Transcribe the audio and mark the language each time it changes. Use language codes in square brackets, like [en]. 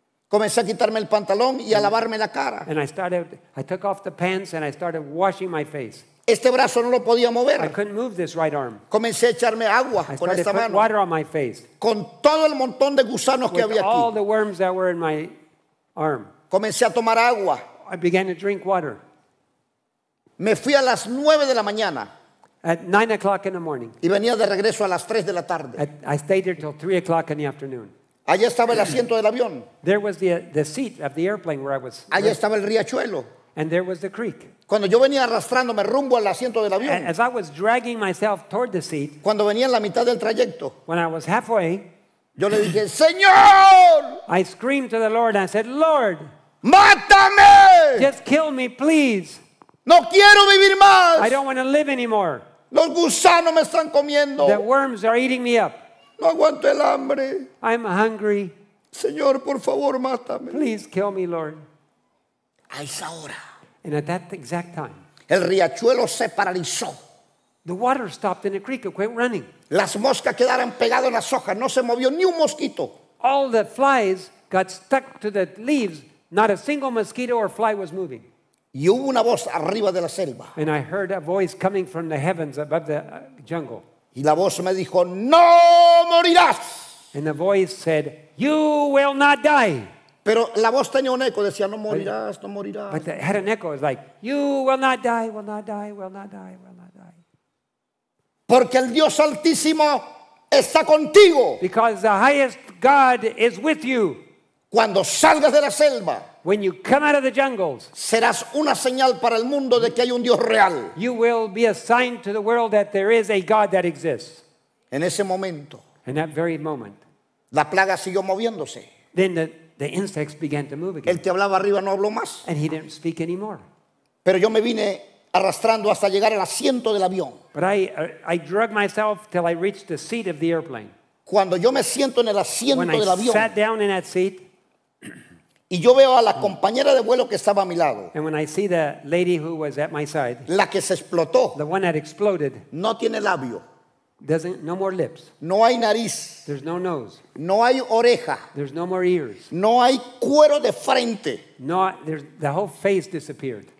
[es] Comencé a quitarme el pantalón y a lavarme la cara. [en] And I took off the pants and I started washing my face. [es] Este brazo no lo podía mover. [en] I couldn't move this right arm. [es] Comencé a echarme agua con esta mano. [en] I started putting water on my face. [es] Con todo el montón de gusanos que había aquí. [en] All the worms that were in my arm. [es] Comencé a tomar agua. [en] I began to drink water. [es] Me fui a las 9 de la mañana. [en] At 9 o'clock in the morning. [es] Y venía de regreso a las 3 de la tarde. [en] I stayed there till 3 o'clock in the afternoon. [es] Allá estaba el asiento del avión. [en] There was the seat of the airplane where I was. [es] Allá estaba el riachuelo. [en] And there was the creek. [es] Cuando yo venía arrastrándome rumbo al asiento del avión. [en] As I was dragging myself toward the seat. [es] Cuando venía en la mitad del trayecto. [en] When I was halfway. [es] Yo le dije, Señor. [en] I screamed to the Lord and I said, Lord. [es] Mátame. [en] Just kill me, please. [es] No quiero vivir más. [en] I don't want to live anymore. [es] Los gusanos me están comiendo. [en] The worms are eating me up. [es] No aguanto el hambre. [en] I'm hungry. [es] Señor, por favor, mátame. [en] Please kill me, Lord. [es] A esa hora. [en] And at that exact time. [es] El riachuelo se paralizó. [en] The water stopped in the creek. It quit running. [es] Las moscas quedaron pegadas en las hojas. No se movió ni un mosquito. [en] All the flies got stuck to the leaves. Not a single mosquito or fly was moving. [es] Y hubo una voz arriba de la selva. [en] And I heard a voice coming from the heavens above the jungle. [es] Y la voz me dijo, no morirás. [en] And the voice said, you will not die. [es] Pero la voz tenía un eco, decía, no morirás, no morirás. [en] But it had an echo, it was like, you will not die, will not die, will not die, will not die. [es] Porque el Dios Altísimo está contigo. [en] Because the highest God is with you. [es] Cuando salgas de la selva. [en] When you come out of the jungles. [es] Serás una señal para el mundo de que hay un Dios real. [en] You will be a sign to the world that there is a God that exists. [es] En ese momento. [en] In that very moment. [es] La plaga siguió moviéndose. [en] Then the insects began to move again. [es] Él te hablaba arriba, no habló más. [en] And he didn't speak anymore. [es] Pero yo me vine arrastrando hasta llegar al asiento del avión. [en] But I dragged myself till I reached the seat of the airplane. [es] Cuando yo me siento en el asiento [en] when [es] del avión. [en] I sat down in that seat. [es] Y yo veo a la compañera de vuelo que estaba a mi lado. [en] And when I see the lady who was at my side. [es] La que se explotó. [en] The one that exploded. [es] No tiene labio. [en] Doesn't, no more lips. [es] No hay nariz. [en] There's no nose. [es] No hay oreja. [en] There's no more ears. [es] No hay cuero de frente. [en] No, there's, the whole face disappeared.